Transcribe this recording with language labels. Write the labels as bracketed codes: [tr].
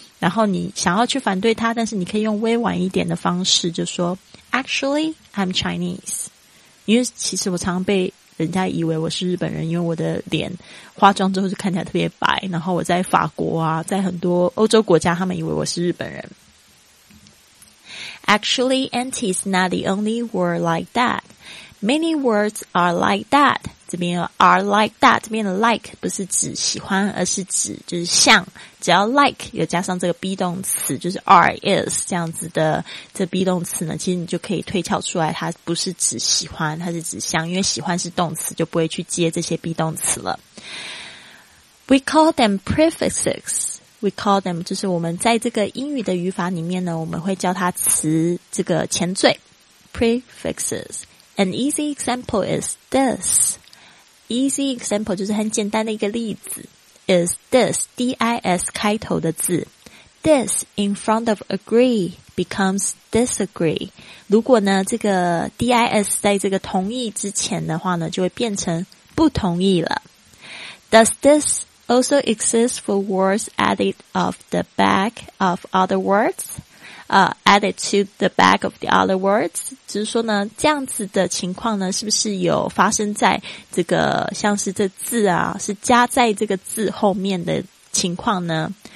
[zh] 然后你想要去反对他，但是你可以用委婉一点的方式就说 [en] Actually I'm Chinese， [zh] 因为其实我常被人家以为我是日本人，因为我的脸化妆之后就看起来特别白，然后我在法国啊，在很多欧洲国家他们以为我是日本人。 [en] Actually auntie is not the only word like that， Many words are like that。 [zh] 这边有 [en] are like that， [zh] 这边的 like 不是指喜欢，而是指就是像，只要 like 有加上这个 be 动词，就是 are is 这样子的，这 be 动词呢，其实你就可以推敲出来，它不是指喜欢，它是指像，因为喜欢是动词，就不会去接这些 be 动词了。 [en] We call them prefixes. We call them [zh] 就是我们在这个英语的语法里面呢，我们会叫它词这个前缀 prefixes. [en] An easy example is this. Easy example [zh] 就是很简单的一个例子。 [en] Is this, D-I-S [zh] 开头的字。 [en] This in front of agree becomes disagree. [zh] 如果呢这个 D-I-S 在这个同意之前的话呢，就会变成不同意了。 [en] Does this also exist for words added of the back of other words? Added to the back of the other words? [zh] 就是说呢，这样子的情况呢，是不是有发生在这个像是这字啊，是加在这个字后面的情况呢？